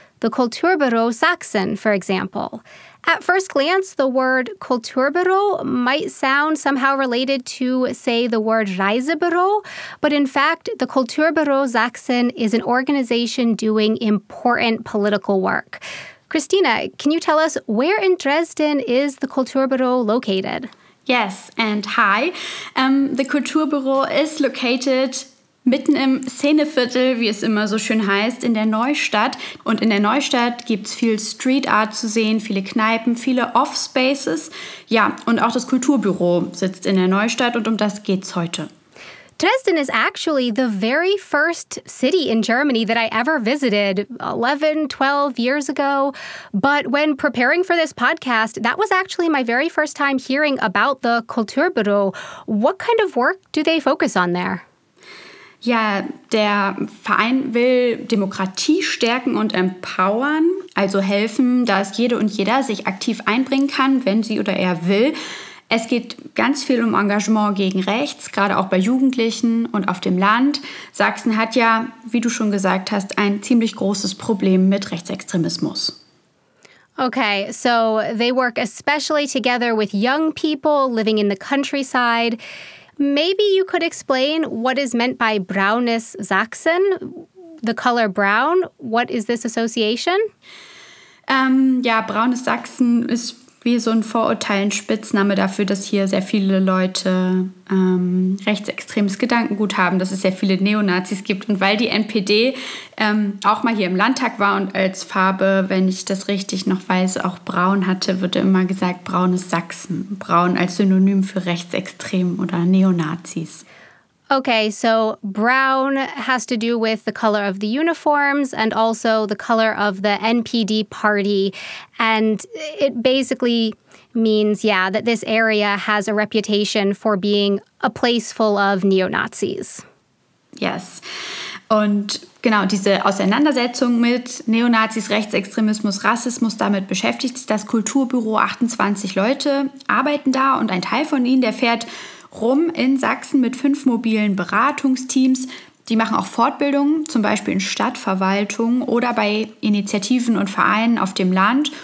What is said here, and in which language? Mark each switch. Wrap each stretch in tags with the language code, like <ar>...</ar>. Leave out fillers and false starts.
<en>The Kulturbüro Sachsen, for example. At first glance, the word Kulturbüro might sound somehow related to, say, the word Reisebüro, but in fact, the Kulturbüro Sachsen is an organization doing important political work. Christina, can you tell us where in Dresden is the Kulturbüro located? Yes, and hi. The Kulturbüro is located</en> <de>mitten im Szeneviertel, wie es immer so schön heißt, in der Neustadt. Und in der Neustadt gibt's viel Street Art zu sehen, viele Kneipen, viele Off-Spaces. Ja, und auch das Kulturbüro sitzt in der Neustadt und um das geht's heute.</de> <en>Dresden is actually the very first city in Germany that I ever visited 11, 12 years ago. But when preparing for this podcast, that was actually my very first time hearing about the Kulturbüro. What kind of work do they focus on there?</en> <de>Ja, der Verein will Demokratie stärken und empowern, also helfen, dass jede und jeder sich aktiv einbringen kann, wenn sie oder er will. Es geht ganz viel um Engagement gegen rechts, gerade auch bei Jugendlichen und auf dem Land. Sachsen hat ja, wie du schon gesagt hast, ein ziemlich großes Problem mit Rechtsextremismus.</de> <en>Okay, so they work especially together with young people living in the countryside. Maybe you could explain what is meant by Braunes Sachsen, the color brown. What is this association?</en> <de>Ja, Braunes Sachsen ist wie so ein Vorurteil, ein Spitzname dafür, dass hier sehr viele Leute rechtsextremes Gedankengut haben, dass es sehr viele Neonazis gibt. Und weil die NPD auch mal hier im Landtag war und als Farbe, wenn ich das richtig noch weiß, auch braun hatte, wird immer gesagt, braun ist Sachsen. Braun als Synonym für Rechtsextremen oder Neonazis.</de> <en>Okay, so brown has to do with the color of the uniforms and also the color of the NPD party. And it basically means, yeah, that this area has a reputation for being a place full of neo-Nazis. Yes.</en> <de>Und genau, diese Auseinandersetzung mit Neonazis, Rechtsextremismus, Rassismus, damit beschäftigt sich das Kulturbüro. 28 Leute arbeiten da und ein Teil von ihnen, der fährt rum in Sachsen mit 5 mobilen Beratungsteams. Die machen auch Fortbildungen, zum Beispiel in Stadtverwaltung oder bei Initiativen und Vereinen auf dem Land.</de>